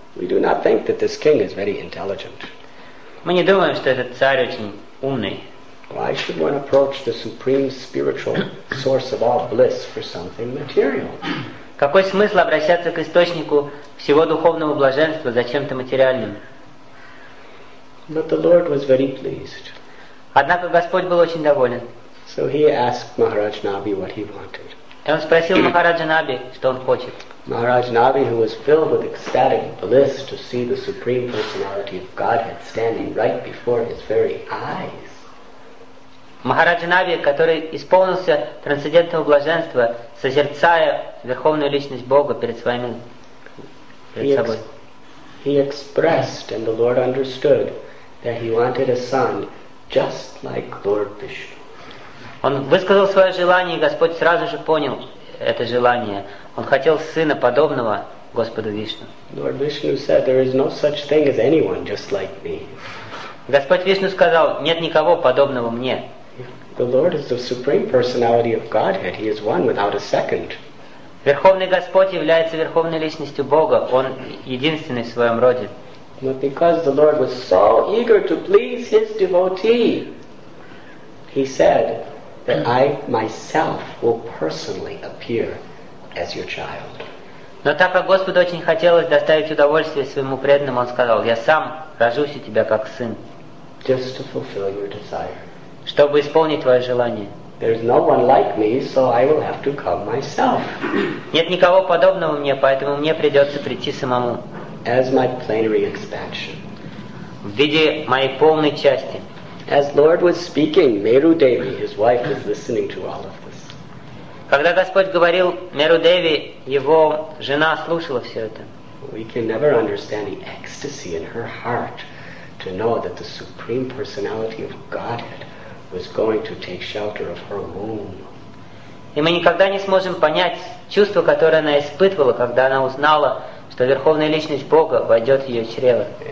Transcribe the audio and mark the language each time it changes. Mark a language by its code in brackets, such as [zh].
[en] We do not think that this king is very intelligent. [ru] Мы не думаем, что этот царь очень умный. [en] Why should one approach the supreme spiritual source of all bliss for something material? [ru] Какой смысл обращаться к источнику всего духовного блаженства за чем-то материальным? [en] But the Lord was very pleased. [ru] Однако Господь был очень доволен. [en] So he asked Maharaj Nabi what he wanted. [ru] И он спросил Махараджа Наби, что он хочет. [en] Maharaj Nabi, who was filled with ecstatic bliss to see the Supreme Personality of Godhead standing right before his very eyes. [ru] Махараджа Наби, который исполнился трансцендентного блаженства, созерцая Верховную Личность Бога перед своими собой. [en] He expressed, and the Lord understood, that he wanted a son just like Lord Vishnu. [ru] Он высказал свое желание, и Господь сразу же понял это желание. Он хотел сына, подобного Господу Вишну. [en] Lord Vishnu said, there is no such thing as anyone just like me. [ru] Господь Вишну сказал, нет никого подобного мне. [en] The Lord is the supreme personality of Godhead. He is one without a second. [ru] Верховный Господь является Верховной Личностью Бога. Он единственный в своем роде. [en] But because the Lord was so eager to please his devotee, he said that I myself will personally appear as your child. [ru] Но так как Господу очень хотелось доставить удовольствие своему преданному, он сказал: я сам рожусь у тебя как сын. [en] Just to fulfill your desire. [ru] Чтобы исполнить твое желание. [en] There's no one like me, so I will have to come myself. [ru] Нет никого подобного мне, поэтому мне придется прийти самому. [en] As my plenary expansion. [ru] В виде моей полной части. [en] As Lord was speaking, Meru Devi, his wife, was listening to all of this. [ru] Когда Господь говорил, Меру Деви, его жена слушала все это. [en] We can never understand the ecstasy in her heart to know that the Supreme Personality of Godhead was going to take shelter of her womb. [ru] И мы никогда не сможем понять чувство, которое она испытывала, когда она узнала, что Верховная Личность Бога войдет в ее чрево.